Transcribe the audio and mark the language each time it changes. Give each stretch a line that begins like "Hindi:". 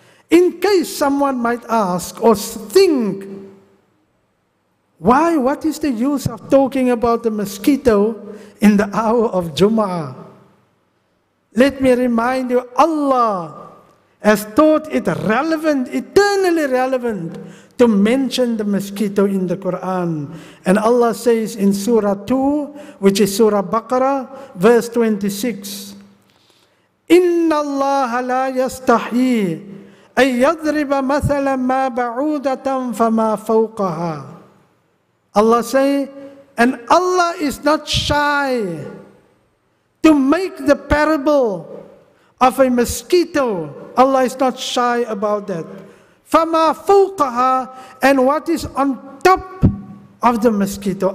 English: In case someone might ask or think, why, what is the use of talking about the mosquito in the hour of Jum'ah? Let me remind you, Allah has thought it relevant, eternally relevant, to mention the mosquito in the Quran. And Allah says in Surah 2, which is Surah Baqarah, verse 26,
Arabic: إِنَّ اللَّهَ لَا يَسْتَحْيِي أَن يَضْرِبَ مَثَلًا مَا بَعُودَةً فَمَا فَوْقَهَا.
English: Allah say, and Allah is not shy to make the parable of a mosquito. Allah is not shy about that.
Arabic: فَمَا فَوْقَهَا,
English: and what is on top of the mosquito.